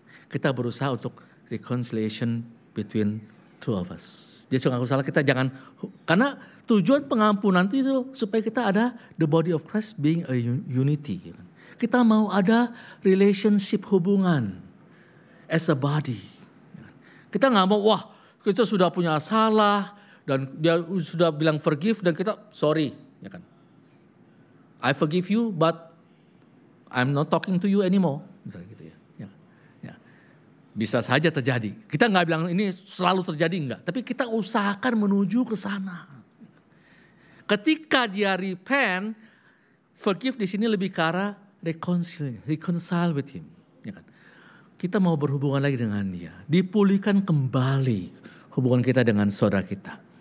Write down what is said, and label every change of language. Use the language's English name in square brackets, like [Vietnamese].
[Indonesian] Kita berusaha untuk [English] reconciliation between two of us. [Indonesian] Dia sudah ngaku salah, kita jangan, karena tujuan pengampunan itu supaya kita ada [English] the body of Christ being a unity. [Indonesian] Kita mau ada relationship, hubungan [English] as a body. [Indonesian] Kita gak mau, wah kita sudah punya salah dan dia sudah bilang forgive dan kita sorry. Ya kan? [English] I forgive you but I'm not talking to you anymore. [Indonesian] Misalnya gitu ya. Ya. Ya. Bisa saja terjadi. Kita gak bilang ini selalu terjadi, enggak. Tapi kita usahakan menuju ke sana. Ketika dia repent, forgive di sini lebih ke arah [English] reconcile with him. [Indonesian] Ya kan? Kita mau berhubungan lagi dengan dia. Dipulihkan kembali hubungan kita dengan saudara kita.